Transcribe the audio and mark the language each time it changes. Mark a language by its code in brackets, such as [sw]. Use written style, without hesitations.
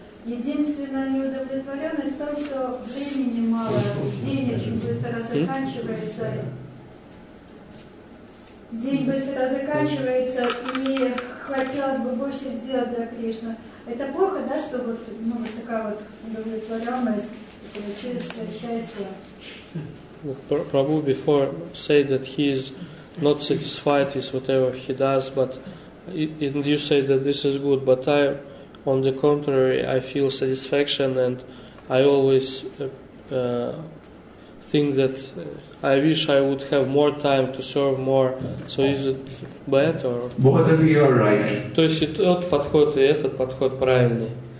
[ru] Единственная неудовлетворенность в том, что времени мало, день очень быстро заканчивается. И хотелось бы больше сделать для Кришны. Это плохо, да, что вот ну, такая вот удовлетворенность, чувство счастья. [en] Prabhu before said that he is not satisfied with whatever he does, but and you say that this is good, but I, on the contrary, I feel satisfaction and I always think that I wish I would have more time to serve more. So is it bad or? Both of you are right. [ru] То есть и тот подход, и этот подход правильный.